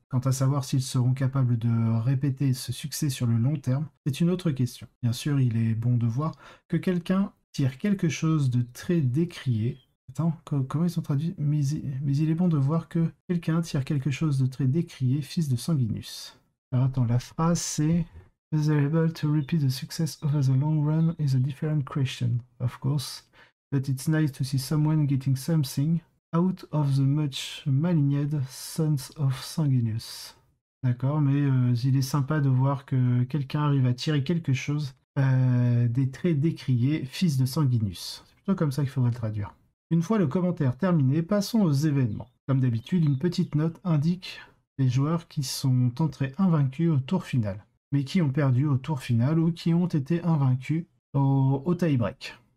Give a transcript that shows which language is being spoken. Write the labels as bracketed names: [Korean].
[French] Quant à savoir s'ils seront capables de répéter ce succès sur le long terme, c'est une autre question. Bien sûr, il est bon de voir que quelqu'un tire quelque chose de très décrié. Attends, comment ils ont traduit? Mais il est bon de voir que quelqu'un tire quelque chose de très décrié, fils de Sanguinus. Alors attends, la phrase c'est... [English] Is it able to repeat the success over the long run is a different question, of course. But it's nice to see someone getting something out of the much maligned sons of Sanguinus. [French] D'accord, mais il est sympa de voir que quelqu'un arrive à tirer quelque chose des traits décriés fils de Sanguinus. C'est plutôt comme ça qu'il faudrait le traduire. Une fois le commentaire terminé, passons aux événements. Comme d'habitude, une petite note indique les joueurs qui sont entrés invaincus au tour final, mais qui ont perdu au tour final ou qui ont été invaincus au tie-break.